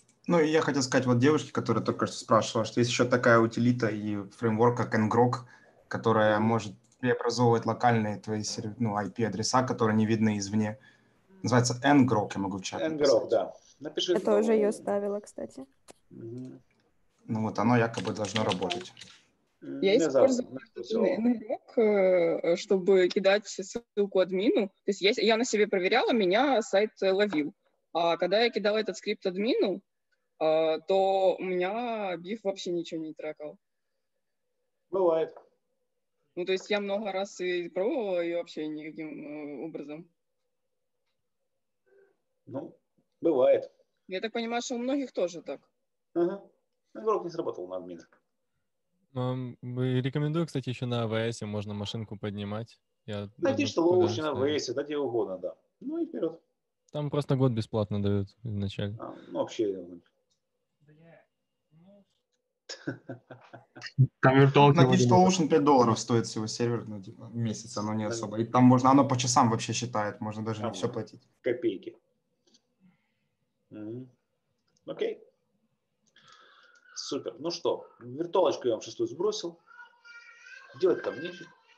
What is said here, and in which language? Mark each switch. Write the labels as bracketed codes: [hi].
[uk] Ну, я хотів сказати, от дівчинки, яка тільки що спрашивала, що є ще така утилита і фреймворк, як ngrok, яка може преобразовувати локальні твої ну, IP-адреса, які не видні ізвні. Називається ngrok, я можу в чаті написати. Ngrok, так. [ru] Напиши. Я тоже ее ставила, кстати. Ну вот оно якобы должно работать. Я использую NLog, чтобы кидать ссылку админу. То есть я на себе проверяла, меня сайт ловил. А когда я кидала этот скрипт админу, то у меня биф вообще ничего не трекал. Бывает. Ну, то есть я много раз и пробовала, и вообще никаким образом. Ну, бывает. Я так понимаю, что у многих тоже так. Ага. Игрок не сработал на админ. Рекомендую, кстати, еще на AWS можно машинку поднимать. Найди, что лучше на AWS, да, где угодно, да. Ну и вперед. Там просто год бесплатно дают изначально. А, ну, вообще... Digitalocean $5 стоит всего сервер, ну, типа, в месяц, оно не особо. И там можно, оно по часам вообще считает, можно даже не все платить. Копейки. Окей. Супер. Ну что, виртуалочку я вам шестую сбросил. Делать там нечего.